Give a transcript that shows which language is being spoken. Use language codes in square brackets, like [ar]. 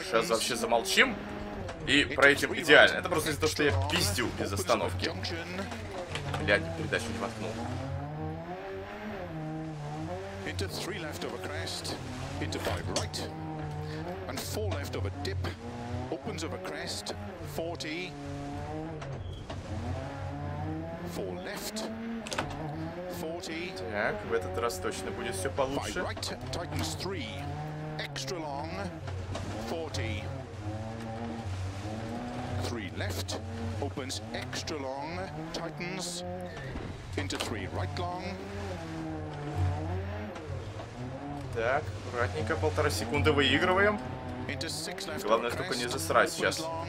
[ru] Сейчас вообще замолчим и проедем идеально. Это просто из-за того, что я пиздил без остановки. Блядь, передачу не воткнул. [en] Into three left over crest. Into five right. And four left of a dip, opens of a crest, 40, four left, 40. [ru] Так, в этот раз точно будет все получше. [en] Five right, tightens three, extra long, 40, three left, opens extra long, tightens, into three right long. [ru] Так, аккуратненько, полтора секунды выигрываем. Главное только не засрать сейчас.